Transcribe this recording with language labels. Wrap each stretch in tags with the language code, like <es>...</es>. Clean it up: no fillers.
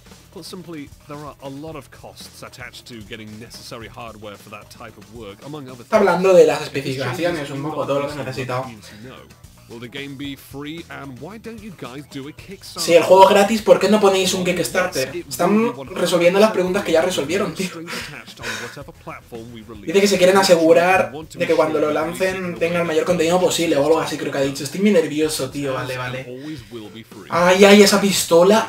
<en>Put simply, there are a lot of costs attached to getting necessary hardware for that type of work, among other things.</en> <es>Está hablando de las especificaciones, un poco, todo lo que necesito.</es> <en>Will the game be free, and why don't you guys do a Kickstarter?</en> <es>Si el juego es gratis, ¿por qué no ponéis un Kickstarter? Están resolviendo las preguntas que ya resolvieron, tío. Dice que se quieren asegurar de que cuando lo lancen tenga el mayor contenido posible o algo así, creo que ha dicho. Estoy muy nervioso, tío. Vale. Ay, esa pistola.</es>